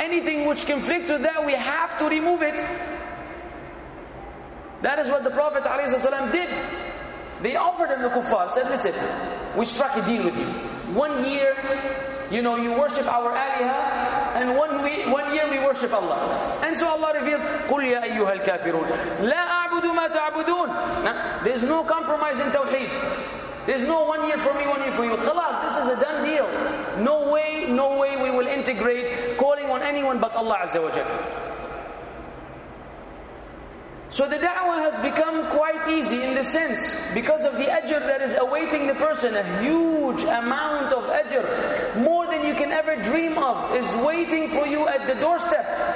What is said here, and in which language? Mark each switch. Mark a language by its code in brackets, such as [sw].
[en] Anything which conflicts with that, we have to remove it. That is what the Prophet ﷺ did. They offered him the kuffar. Said, listen, we struck a deal with you. 1 year, you know, you worship our aliha, and one year we worship Allah. And so Allah revealed, [ar] قُلْ يَا أَيُّهَا الْكَافِرُونَ لَا أَعْبُدُ مَا تَعْبُدُونَ. [en] Now, there's no compromise in tawheed. There's no 1 year for me, 1 year for you. Khalas, this is a done deal. No way we will integrate calling on anyone but Allah Azza wa Jalla. So the da'wah has become quite easy in the sense, because of the ajr that is awaiting the person, a huge amount of ajr, more than you can ever dream of, is waiting for you at the doorstep.